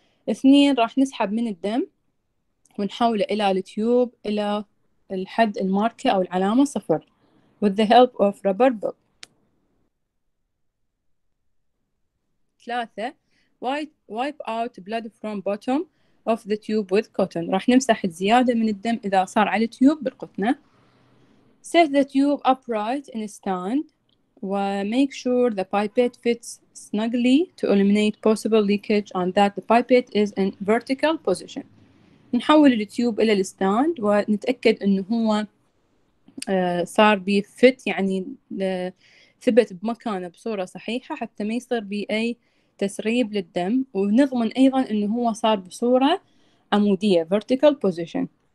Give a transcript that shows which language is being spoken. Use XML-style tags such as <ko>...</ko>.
<ar>اثنين راح نسحب من الدم ونحوله إلى التيوب إلى الحد الماركة أو العلامة صفر</ar> <en>with the help of rubber bulb.</en> <ar>ثلاثة</ar> <en>wipe out blood from bottom of the tube with cotton.</en> <ar>راح نمسح الزيادة من الدم إذا صار على التيوب بالقطنة.</ar> <en>Set the tube upright in a stand.</en> <ar>و</ar> <en>make sure the pipette fits snugly to eliminate possible leakage and that the pipette is in vertical position.</en> <ar>نحول التيوب إلى الستاند ونتأكد إنه هو صار بفت، يعني ثبت بمكانه بصورة صحيحة حتى ما يصير بأي تسريب للدم، ونضمن أيضا إنه هو صار بصورة عمودية vertical position.</ar>